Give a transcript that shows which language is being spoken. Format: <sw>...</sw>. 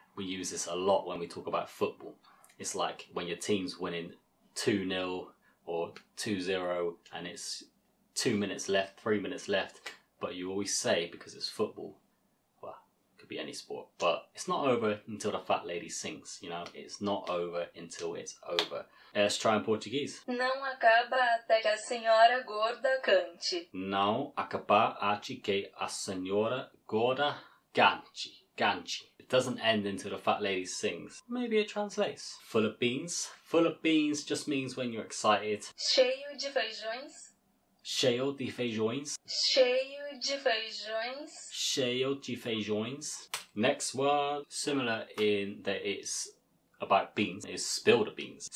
<en>We use this a lot when we talk about football. It's like when your team's winning 2-0 or 2-0 and it's 2 minutes left, 3 minutes left. But you always say, because it's football, be any sport, but it's not over until the fat lady sings, you know, it's not over until it's over. Let's try in Portuguese.</en> <pt>Não acaba até que a senhora gorda cante. Não acaba até que a senhora gorda cante. Cante.</pt> <en>It doesn't end until the fat lady sings. Maybe it translates. Full of beans. Full of beans just means when you're excited.</en> <pt>Cheio de feijões. Cheio de feijões. Cheio de feijões. Cheio de feijões.</pt> <en>Next word, similar in that it's about beans, is spill the beans.</en>